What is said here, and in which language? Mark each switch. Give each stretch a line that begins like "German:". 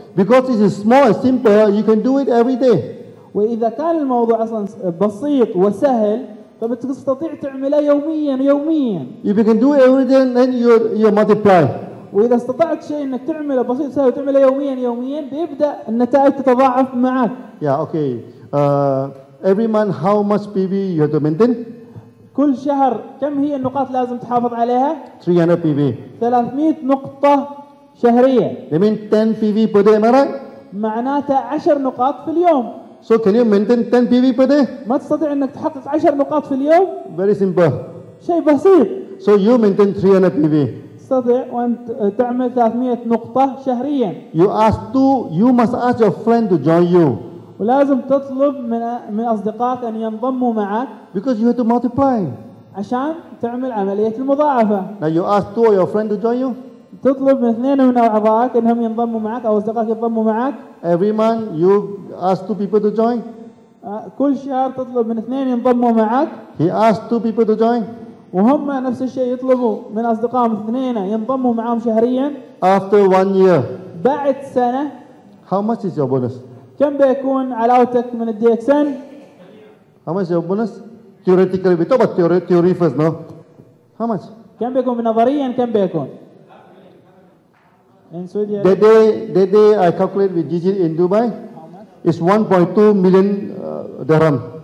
English: Because it is small and simple, you can do it every day.
Arabic: وإذا كان الموضوع أصلاً بسيط وسهل, فبتستطيع تعمله يومياً يومياً.
English: If you can do it every day, then you multiply.
Arabic: وإذا استطعت شيء إنك تعمله بسيط وسهل وتعمله يومياً يومياً, بيبدأ النتائج تتضاعف معك.
English: Yeah, okay. Every month, how much PV you have to maintain?
Arabic: كل شهر كم هي النقاط لازم تحافظ عليها؟
English: 300 PV.
Arabic: 300 نقطة شهرية.
English: That means 10 PV per day, am I right?
Arabic: معناته 10 نقاط في اليوم.
English: So can you maintain 10 PV per day?
Arabic: ما تستطيع أنك تحقق 10 نقاط في اليوم؟
English: Very simple.
Arabic: شيء بسيط.
English: So you maintain 300 PV.
Arabic: تستطيع أن تعمل 300 نقطة شهريا.
English: You must ask your friend to join you.
Arabic: ولازم تطلب من أصدقائك أن ينضموا معك.
English: Because you have to multiply.
Arabic: عشان تعمل عملية المضاعفة.
English: Now you ask two of your friends to join you.
Arabic: تطلب من اثنين من أعضائك إنهم ينضموا معك أو أصدقائك ينضموا معك.
English: Every month you ask two people to join.
Arabic: كل شهر تطلب من اثنين ينضموا معك.
English: He asked two people to join.
Arabic: وهم نفس الشيء يطلبوا من أصدقائهم اثنين ينضموا معهم شهريا.
English: After one year.
Arabic: بعد سنة.
English: How much is your bonus?
Arabic: كم بيكون علاوتك من الديكسن؟
English: How much is your bonus? Theoretically, we talk about theory first, no? How much?
Arabic: كم بيكون نظريا كم بيكون؟
English: The day I calculate with Gigi in Dubai, it's 1.2 million dirham.